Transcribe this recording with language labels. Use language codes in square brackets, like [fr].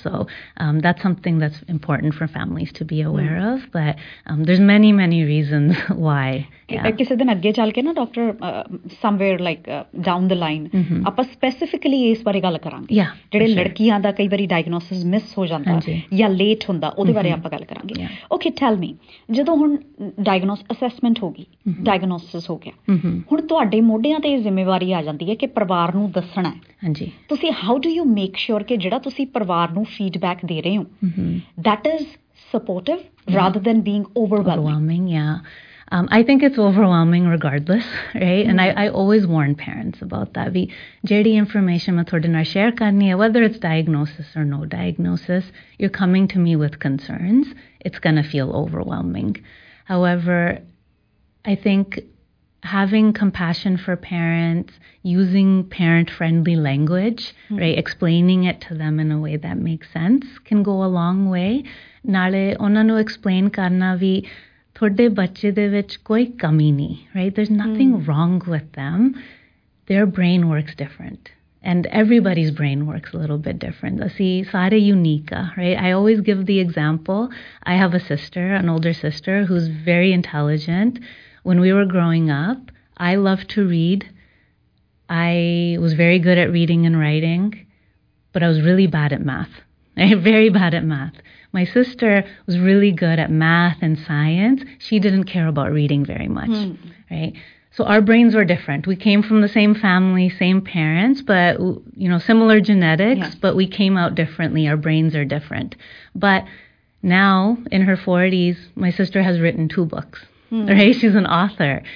[en] So that's something that's important for families to be aware of. But there's many, many reasons why. [pa] Kisi din agge chal ke na doctor, [en] somewhere like down the line, [pa] apa specifically is bare gal karange. [en] Yeah, [pa] jede ladkiyan da kai bari diagnosis miss ho janda ya late hunda, ode ਆਪਾਂ ਗੱਲ ਕਰਾਂਗੇ. Okay, ਟੈਲ ਮੀ, ਜਦੋਂ ਹੁਣ diagnose assessment ਹੋ ਗਈ, diagnosis ਹੋ ਗਿਆ, ਹੁਣ ਤੁਹਾਡੇ ਮੋਢਿਆਂ ਤੇ ਇਹ ਜ਼ਿੰਮੇਵਾਰੀ ਆ ਜਾਂਦੀ ਹੈ ਕਿ ਪਰਿਵਾਰ ਨੂੰ ਦੱਸਣਾ. ਹਾਂਜੀ, [en] ਤੁਸੀਂ how do you make sure [pa] ਕਿ ਜਿਹੜਾ ਤੁਸੀਂ ਪਰਿਵਾਰ ਨੂੰ ਫੀਡਬੈਕ ਦੇ ਰਹੇ ਹੋ [en] That is supportive rather than being overwhelming? Yeah, I think it's overwhelming regardless, right? And I always warn parents about that. [pa] We jehdi information ma thode naal share karni hai, [en] whether it's diagnosis or no diagnosis, you're coming to me with concerns, it's going to feel overwhelming. However, I think having compassion for parents, using parent-friendly language, right, explaining it to them in a way that makes sense, can go a long way. [pa] Naale onna nu explain karna vi, ਤੁਹਾਡੇ ਬੱਚੇ ਦੇ ਵਿੱਚ ਕੋਈ ਕਮੀ ਨਹੀਂ, right? [en] There is nothing wrong with them, their brain works different, and everybody's brain works a little bit different. [pa] ਅਸੀਂ ਸਾਰੇ unique ਆ, [en] Right? I always give the example, I have a sister, an older sister who is very intelligent. When we were growing up, I love to read, I was very good at reading and writing, but I was really bad at math, very bad at math. My sister was really good at math and science. She didn't care about reading very much, right? So our brains were different. We came from the same family, same parents, but, you know, similar genetics, but we came out differently. Our brains are different. But now, in her 40s, my sister has written 2 books, right? She's an author.